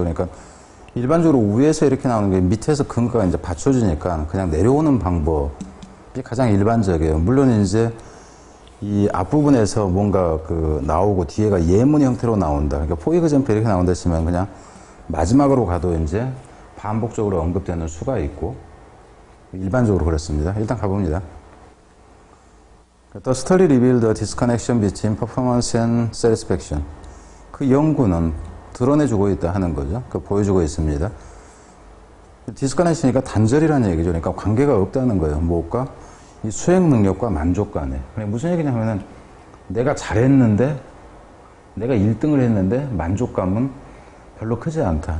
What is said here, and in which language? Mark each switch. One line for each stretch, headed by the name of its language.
Korean: 그러니까 일반적으로 위에서 이렇게 나오는 게 밑에서 근거가 이제 받쳐주니까 그냥 내려오는 방법이 가장 일반적이에요. 물론 이제 이 앞부분에서 뭔가 그 나오고 뒤에가 예문 형태로 나온다. 그러니까 포이그점프 이렇게 나온다 치면 그냥 마지막으로 가도 이제 반복적으로 언급되는 수가 있고 일반적으로 그렇습니다. 일단 가봅니다.
English: The story revealed the disconnection between performance and satisfaction.
Korean: 그 연구는 드러내주고 있다 하는 거죠. 그 보여주고 있습니다. Disconnection이니까 단절이라는 얘기죠. 그러니까 관계가 없다는 거예요. 무엇과? 이 수행 능력과 만족 간에. 그러니까 무슨 얘기냐 하면은 내가 잘했는데 내가 1등을 했는데 만족감은 별로 크지 않다.